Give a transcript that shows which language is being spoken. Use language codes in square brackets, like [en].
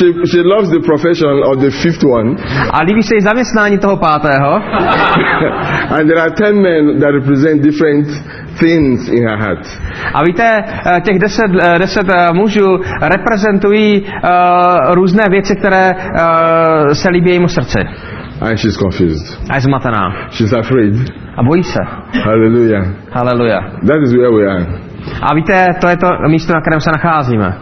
[en] She loves the profession of the fifth one. [cs] A líbí se jí zaměstnání toho pátého. [en] And there are 10 men that represent different things in her heart. [cs] A víte, těch 10 mužů reprezentují různé věci, které se líbí jejímu srdci. [en] And she's confused. [cs] A je zmatená. [en] She's afraid. [cs] A bojí se. Hallelujah. Hallelujah. [en] That is where we are. [cs] A víte, to je to místo, na kterém se nacházíme.